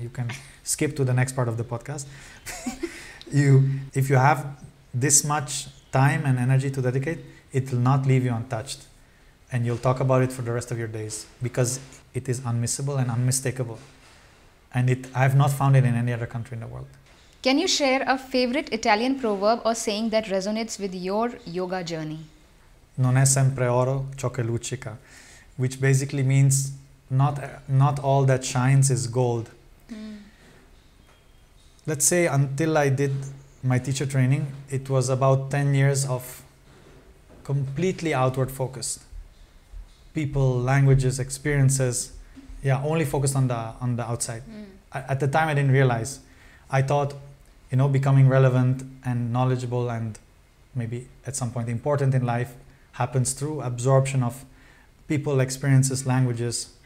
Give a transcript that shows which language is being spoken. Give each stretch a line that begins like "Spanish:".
English: You can skip to the next part of the podcast. If you have this much time and energy to dedicate, it will not leave you untouched. And you'll talk about it for the rest of your days because it is unmissable and unmistakable. And I've not found it in any other country in the world. Can you share a favorite Italian proverb or saying that resonates with your yoga journey?
Italian: Non è sempre oro ciò che luccica,
English: which basically means not all that shines is gold. Let's say until I did my teacher training, it was about 10 years of completely outward focused. People, languages, experiences. Yeah, only focused on the outside. At the time, I didn't realize. I thought, you know, becoming relevant and knowledgeable and maybe at some point important in life happens through absorption of people, experiences, languages.